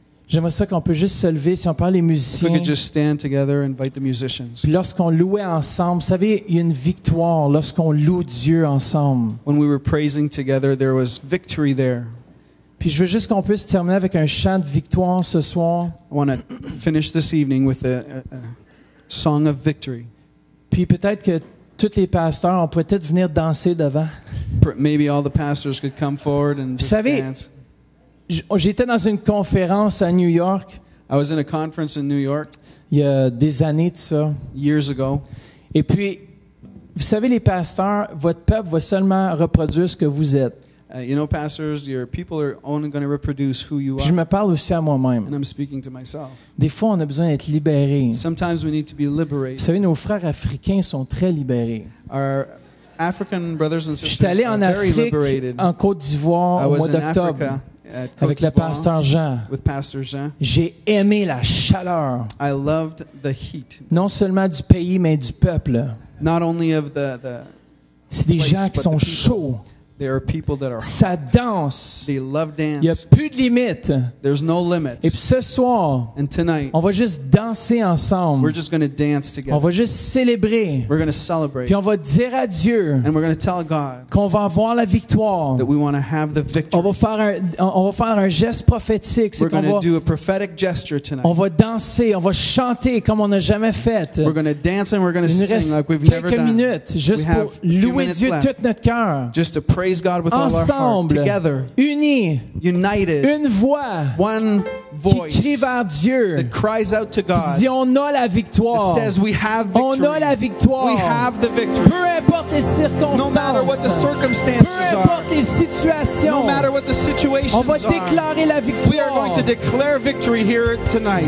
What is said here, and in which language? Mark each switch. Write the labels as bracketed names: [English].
[French] J'aimerais ça qu'on peut juste se lever, si on parle les musiciens. [English] We could just stand together and invite the musicians. [French] Puis lorsqu'on louait ensemble, vous savez, il y a une victoire lorsqu'on loue Dieu ensemble. [English] When we were praising together, there was victory there. [French] Puis je veux juste qu'on puisse terminer avec un chant de victoire ce soir. [English] I want to finish this evening with a song of victory. [French] Puis peut-être que tous les pasteurs, on pourrait peut-être venir danser devant. [English] Maybe all the pastors could come forward and just [French] savez, [English] dance. [French] J'étais dans une conférence à New York. [English] I was in a conference in New York. [French] Il y a des années de ça. [English] Years ago. [French] Et puis, vous savez, les pasteurs, votre peuple va seulement reproduire ce que vous êtes. [English] You know, pastors, your people are only going to reproduce who you are. [French] Je me parle aussi à moi-même. [English] And I'm speaking to myself. [French] Des fois, on a besoin d'être libéré. [English] Sometimes we need to be liberated. [French] Vous savez, nos frères africains sont très libérés. [English] Our African brothers and sisters are very liberated. [French] J'étais allé en Afrique, en Côte d'Ivoire, au mois d'octobre. Avec le pasteur Jean. [English] With Pastor Jean. [French] J'ai aimé la chaleur. [English] I loved the heat. [French] Non seulement du pays, mais du peuple. [English] Not only of the [French] c'est des [English] place, [French] gens qui sont chauds. [English] There are people that are [French] ça danse. [English] They love dance. [French] Il n'y a plus de limites. [English] There's no limits. [French] Et puis ce soir, [English] and tonight, [French] on va juste danser ensemble. [English] We're just going to dance together. [French] On va juste célébrer. [English] We're going to celebrate. [French] Puis on va dire à Dieu [English] and we're going to tell God [French] qu'on va avoir la victoire. [English] That we want to have the victory. [French] On va faire un geste prophétique. [English] We're going to do a prophetic gesture tonight. [French] On va danser, on va chanter comme on n'a jamais fait. [English] We're going to dance and we're going to sing like we've never done. [French] Quelques minutes, juste pour louer Dieu [English] left, [French] tout notre cœur. [English] Just to pray. Praise God with [French] ensemble, [English] all our heart, together, [French] unis, [English] united, [French] une voix, [English] one voice, [French] qui crie vers Dieu, [English] that cries out to God, [French] qui dit on a la victoire, [English] that says we have victory, [French] on a la victoire, [English] we have the victory, [French] peu importe les circonstances, [English] no matter what the circumstances [French] peu importe les situations, [English] no matter what the situations [French] on va déclarer [English] are, [French] la victoire, [English] we are going to declare victory here tonight,